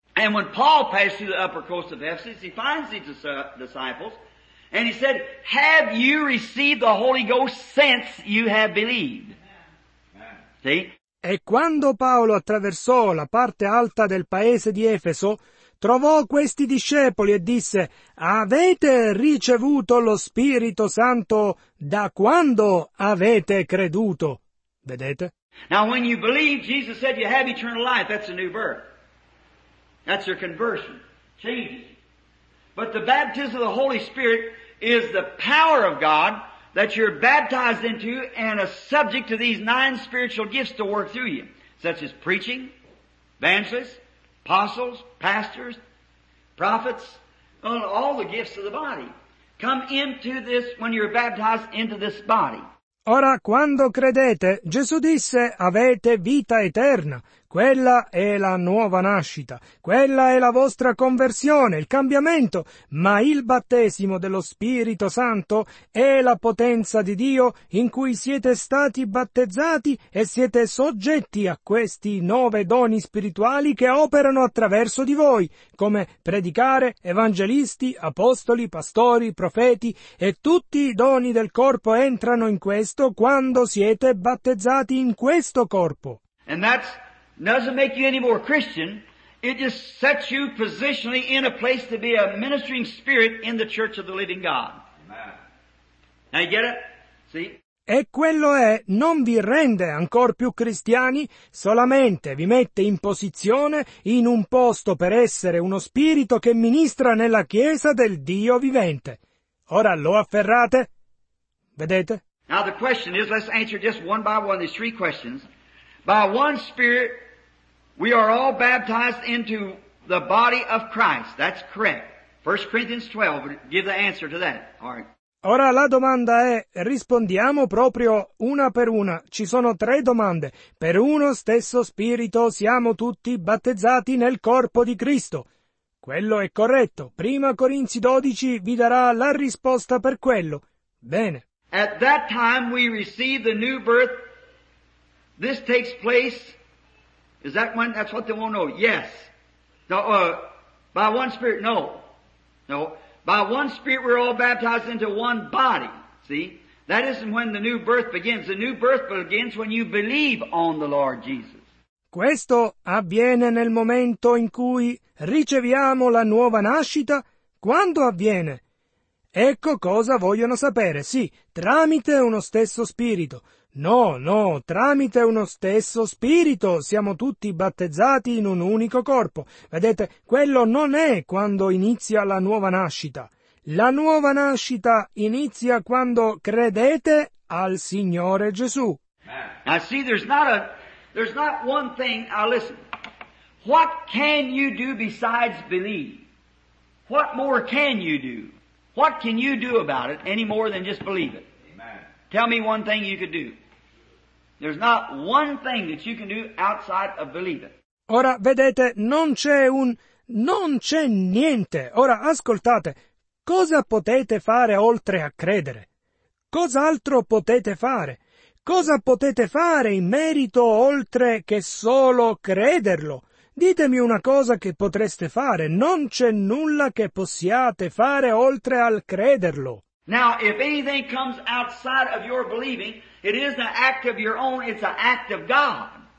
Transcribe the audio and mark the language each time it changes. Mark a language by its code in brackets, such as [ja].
[en] And when Paul passed through the upper coast of Ephesus, he finds these disciples, and he said, have you received the Holy Ghost since you have believed? See? [it] E quando Paolo attraversò la parte alta del paese di Efeso, trovò questi discepoli e disse, avete ricevuto lo Spirito Santo da quando avete creduto? Vedete? [en] Now when you believe, Jesus said you have eternal life, that's a new birth. That's your conversion. Changes. But the baptism of the Holy Spirit is the power of God that you're baptized into and a subject to these nine spiritual gifts to work through you, such as preaching, evangelists, apostles, pastors, prophets, all the gifts of the body. Come into this when you're baptized into this body. [it] Ora, quando credete, Gesù disse, avete vita eterna. Quella è la nuova nascita, quella è la vostra conversione, il cambiamento, ma il battesimo dello Spirito Santo è la potenza di Dio in cui siete stati battezzati e siete soggetti a questi nove doni spirituali che operano attraverso di voi, come predicare, evangelisti, apostoli, pastori, profeti, e tutti i doni del corpo entrano in questo quando siete battezzati in questo corpo. [en] And that's... doesn't make you any more Christian. It just sets you positionally in a place to be a ministering spirit in the church of the living God. Amen. Now you get it? See? [it] E quello è, non vi rende ancor più cristiani, solamente vi mette in posizione in un posto per essere uno spirito che ministra nella chiesa del Dio vivente. Ora lo afferrate? Vedete? [en] Now the question is, let's answer just one by one these three questions. By one Spirit, we are all baptized into the body of Christ. That's correct. 1 Corinthians 12, give the answer to that. All right. [it] Ora la domanda è, rispondiamo proprio una per una. Ci sono tre domande. Per uno stesso Spirito siamo tutti battezzati nel corpo di Cristo. Quello è corretto. 1 Corinzi 12 vi darà la risposta per quello. Bene. [en] At that time we receive the new birth. This takes place, is that one, that's what they want to know, yes. By one Spirit, no. No, by one Spirit we're all baptized into one body, see. That isn't when the new birth begins. The new birth begins when you believe on the Lord Jesus. [it] Questo avviene nel momento in cui riceviamo la nuova nascita? Quando avviene? Ecco cosa vogliono sapere, sì, tramite uno stesso Spirito. No, no, tramite uno stesso Spirito siamo tutti battezzati in un unico corpo. Vedete, quello non è quando inizia la nuova nascita. La nuova nascita inizia quando credete al Signore Gesù. [en] Now see, there's not one thing. Now listen, what can you do besides believe? What more can you do? What can you do about it any more than just believe it? Tell me one thing you could do. There's not one thing that you can do outside of believing. [it] Ora, vedete, non c'è niente. Ora, ascoltate. Cosa potete fare oltre a credere? Cos'altro potete fare? Cosa potete fare in merito oltre che solo crederlo? Ditemi una cosa che potreste fare. Non c'è nulla che possiate fare oltre al crederlo. [en] Now, if anything comes outside of your believing, it isn't an act of your own, it's an act of God.